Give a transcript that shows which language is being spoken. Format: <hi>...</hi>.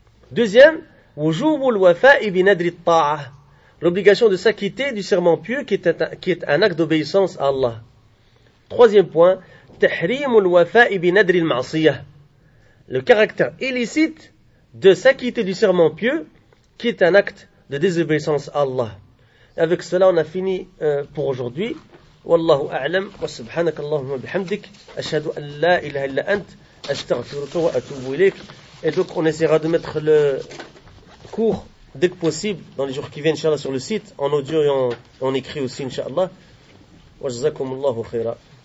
<fr>Deuxième,</fr> <ar>wujubu al-wafa'i bi nadri at-ta'a,</ar> <fr>l'obligation de s'acquitter du serment pieux qui est un acte d'obéissance à Allah. Troisième point,</fr> <ar>tahrim al-wafa'i bi nadri al-ma'siyah,</ar> <fr>le caractère illicite de s'acquitter du serment pieux qui est un acte de désobéissance à Allah. Et avec cela, on a fini pour aujourd'hui.</fr> <ar>والله أعلم وسبحانك اللهم وبحمدك أشهد أن لا إله إلا أنت أستغفرك وأتوب إليك.</ar> <fr>Et donc on essaiera de mettre le cours dès que possible dans les jours qui viennent, inchallah, sur le site en audio et en écrit aussi, inchallah.</fr> <ar>وجزاكم الله خيرا.</ar>